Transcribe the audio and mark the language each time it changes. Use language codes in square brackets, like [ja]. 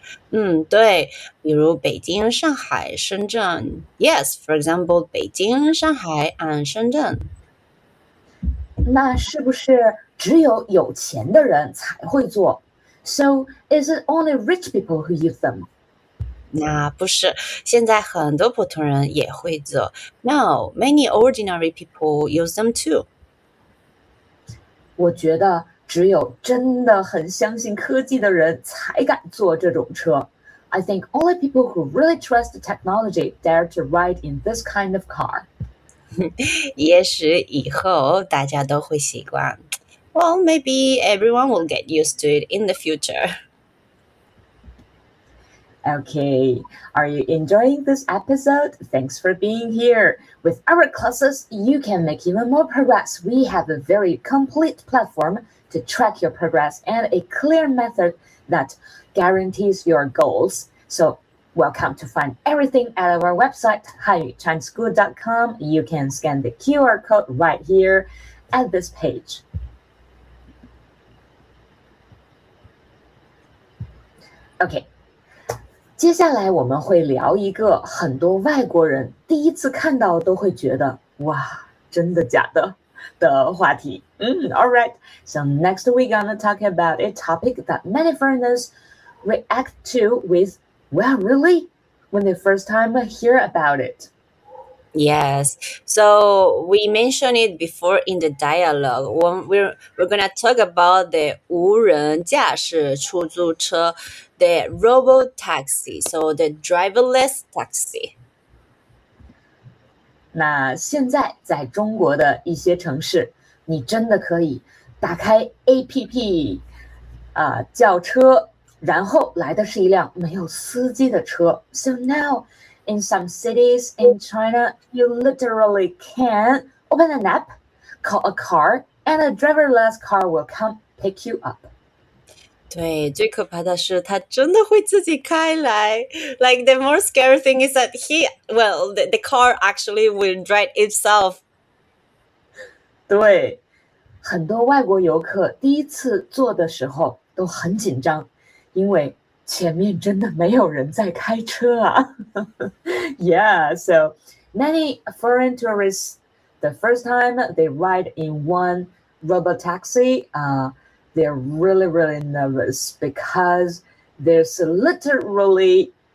[zh] 嗯，对，比如北京、上海、深圳。 [en] Yes, for example, 北京、上海 and 深圳。 [zh] 那是不是只有有钱的人才会坐？ [en] So, is it only rich people who use them? [zh] 那不是，现在很多普通人也会坐。 [en] No, many ordinary people use them too. [zh] 我觉得只有真的很相信科技的人才敢坐这种车。 [en] I think only people who really trust the technology dare to ride in this kind of car. [zh] 也许以后大家都会习惯。 [en] Well, maybe everyone will get used to it in the future. Okay, are you enjoying this episode? Thanks for being here. With our classes, you can make even more progress. We have a very complete platform to track your progress and a clear method that guarantees your goals. So, welcome to find everything at our website, haiyuchineschool.com. You can scan the QR code right here at this page. [zh] OK, 接下来我们会聊一个很多外国人第一次看到都会觉得哇真的假的的话题。 [en] Alright, so next we're gonna talk about a topic that many foreigners react to with, well, really, when they first time hear about it. Yes, so we mentioned it before in the dialogue. We're going to talk about the 无人驾驶出租车, the robo-taxi, so the driverless taxi. [zh] 那现在在中国的一些城市,你真的可以打开 APP, 叫车,然后来的是一辆没有司机的车。 [en] So now... In some cities in China, you literally can open an app, call a car, and a driverless car will come pick you up. [zh] 对，最可怕的是它真的会自己开来。 [en] Like, the more scary thing is that the car actually will drive itself. [zh] 对，很多外国游客第一次坐的时候都很紧张，因为前面真的没有人在开车啊。 [en] Yeah, so many foreign tourists, the first time they ride in one robotaxi, they're really, really nervous because there's literally